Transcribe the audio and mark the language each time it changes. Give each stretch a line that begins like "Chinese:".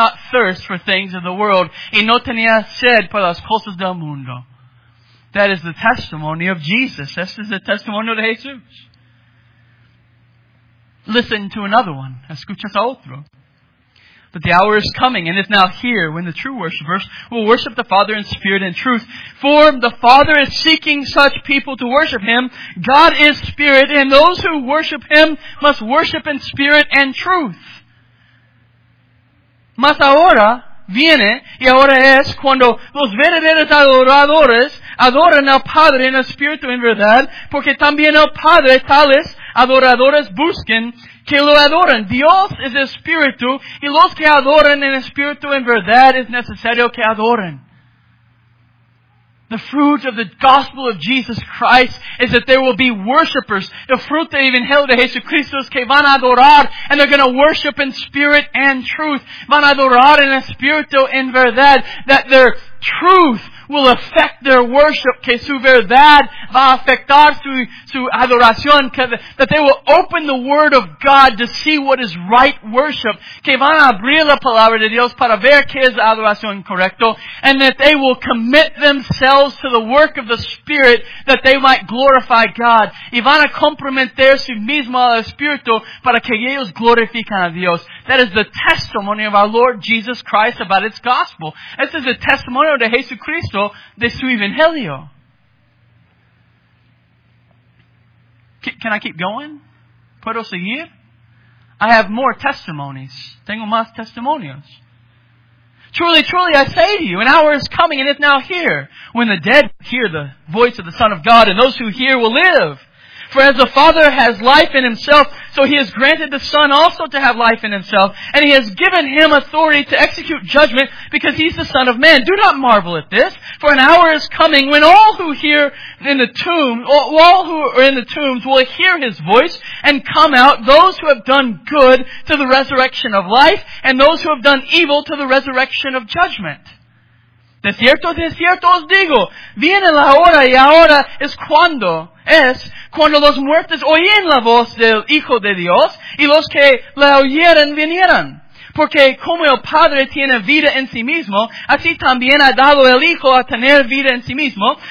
English: thirst for things of the world
Spanish: y no tenía sed por las cosas del mundo.
English: That is the testimony of Jesus. This is the testimony of Jesus. Listen to another one.
Spanish: Escuchas a otro.
English: But the hour is coming and is now here when the true worshipers will worship the Father in spirit and truth. For the Father is seeking such people to worship Him. God is spirit, and those who worship Him must worship in spirit and truth.
Spanish: Mas ahora viene y ahora es cuando los verdaderos adoradores adoran al Padre en espíritu en verdad, porque también el Padre tales adoradores busquen que lo adoren. Dios es espíritu, y los que adoran en espíritu en verdad es necesario que adoren.
English: The fruit of the gospel of Jesus Christ is that there will be worshipers. The fruit
Spanish: del Evangelio de Jesucristo es que van a adorar,
English: and they're going to worship in spirit and truth.
Spanish: Van a adorar en espíritu en verdad.
English: That their truth will affect their worship.
Spanish: Que su verdad va a afectar su adoración.
English: That they will open the Word of God to see what is right worship.
Spanish: Que van a abrir la palabra de Dios para ver que es adoración correcto.
English: And that they will commit themselves to the work of the Spirit that they might glorify God.
Spanish: Y van a comprometer su mismo al Espíritu para que ellos glorifican a Dios.
English: That is the testimony of our Lord Jesus Christ about its gospel. This is the testimony of Jesucristo
Spanish: de su Evangelio.
English: Can I keep going?
Spanish: ¿Puedo seguir?
English: I have more testimonies.
Spanish: Tengo más testimonios.
English: Truly, truly, I say to you, an hour is coming and is now here, when the dead hear the voice of the Son of God, and those who hear will live. For as the Father has life in Himself, so He has granted the Son also to have life in Himself, and He has given Him authority to execute judgment, because He is the Son of Man. Do not marvel at this, for an hour is coming when all who hear in the tomb, all who are in the tombs will hear His voice and come out, those who have done good to the resurrection of life, and those who have done evil to the resurrection of judgment.
Spanish: De cierto os digo, viene la hora y ahora es cuando. Es cuando los muertos oyen la voz del Hijo de Dios y los que la oyeran vinieran. Porque como el Padre tiene vida en sí mismo, así también ha dado el Hijo a tener vida en sí mismo.